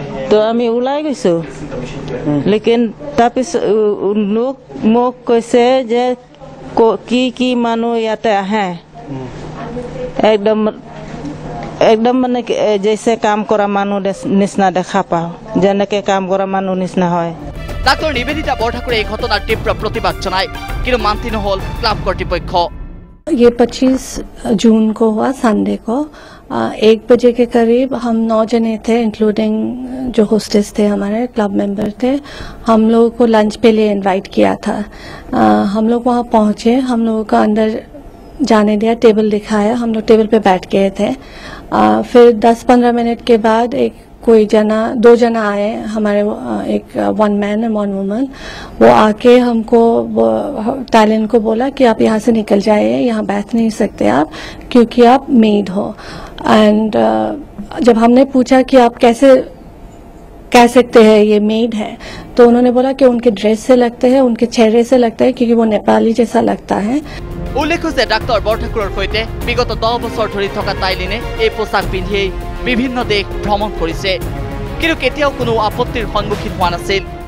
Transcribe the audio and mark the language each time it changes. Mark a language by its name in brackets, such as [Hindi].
[Assamese] তো আমি ওলাই গৈছোঁ, লেকিন তাৰপিছত লোক মোক কৈছে যে কি কি মানুহ ইয়াতে আহে, একদম একদম মানে যেছে কাম কৰা মানুহ নিচিনা দেখা পাওঁ, যেনেকৈ কাম কৰা মানুহ নিচিনা হয়। ডাক্তৰ নিবেদিতা বৰঠাকুৰে এই ঘটনাৰ তীব্ৰ প্ৰতিবাদ জনায়, কিন্তু মান্তি নহ'ল ক্লাব কৰ্তৃপক্ষ। [Hindi] ये 25 जून को हुआ, संडे को 1 बजे के करीब हम 9 जने थे, इंक्लूडिंग जो होस्टेस थे, हमारे क्लब मेंबर थे। हम लोगों को लंच पे लिए इनवाइट किया था। हम लोग वहाँ पहुँचे, हम लोगों को अंदर जाने दिया, टेबल दिखाया, हम लोग टेबल पे बैठ गए थे। फिर 10-15 मिनट के बाद एक कोई जना दो जना आए हमारे, एक one man and one woman, वो आके हमको टैलेंट को बोला कि आप यहाँ से निकल जाइए, यहाँ बैठ नहीं सकते आप क्योंकि आप मेड हो। एंड जब हमने पूछा कि आप कैसे कह सकते हैं ये मेड है, तो उन्होंने बोला कि उनके ड्रेस से लगते हैं, उनके चेहरे से लगता है क्योंकि वो नेपाली जैसा लगता है। [Assamese] উল্লেখ যে ডাক্তৰ বৰঠাকুৰৰ সৈতে বিগত 10 বছৰ ধৰি থকা টাইলিনে এই পোচাক পিন্ধিয়েই বিভিন্ন দেশ ভ্ৰমণ কৰিছে, কিন্তু কেতিয়াও কোনো আপত্তিৰ সন্মুখীন হোৱা নাছিল।